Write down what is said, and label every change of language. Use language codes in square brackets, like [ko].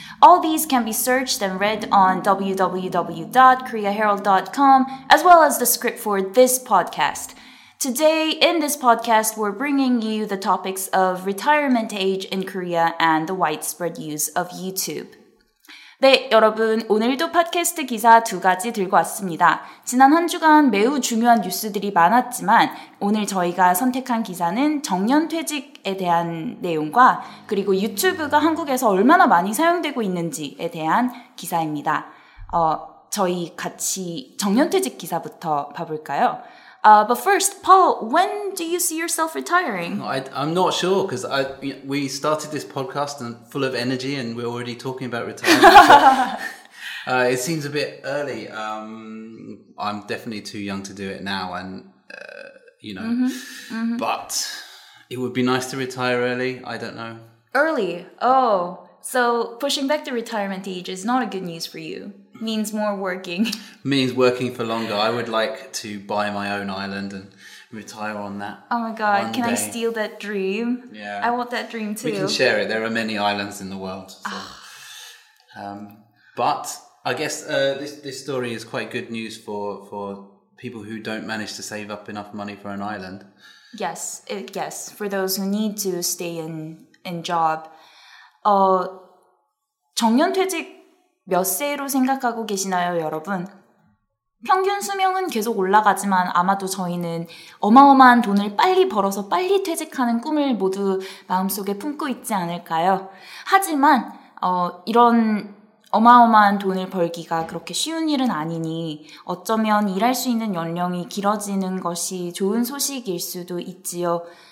[en] All these can be searched and read on www.koreaherald.com, as well as the script for this podcast. Today, in this podcast, we're bringing you the topics of retirement age in Korea and the widespread use of YouTube. [ko] 네, 여러분, 오늘도 팟캐스트 기사 두 가지 들고 왔습니다. 지난 한 주간 매우 중요한 뉴스들이 많았지만 오늘 저희가 선택한 기사는 정년퇴직에 대한 내용과 그리고 유튜브가 한국에서 얼마나 많이 사용되고 있는지에 대한 기사입니다. 저희 같이 정년퇴직 기사부터 봐볼까요? [en] But first, Paul, when do you see yourself retiring? I'm not sure because we started this podcast and full of energy and we're already talking about retirement. it seems a bit early. I'm definitely too young to do it now. And, you know, but it would be nice to retire early. I don't know. Early? Oh, so pushing back the retirement age is not a good news for you. Means more working. Means working for longer. I would like to buy my own island and retire on that. Oh my god, can I steal that dream? Yeah. I want that dream too. We can share it. There are many islands in the world. So. But I guess this story is quite good news for people who don't manage to save up enough money for an island. Yes, yes. For those who need to stay in job. [ko] 정년퇴직 몇 세로 생각하고 계시나요, 여러분? 평균 수명은 계속 올라가지만 아마도 저희는 어마어마한 돈을 빨리 벌어서 빨리 퇴직하는 꿈을 모두 마음속에 품고 있지 않을까요? 하지만 이런 어마어마한 돈을 벌기가 그렇게 쉬운 일은 아니니 어쩌면 일할 수 있는 연령이 길어지는 것이 좋은 소식일 수도 있지요.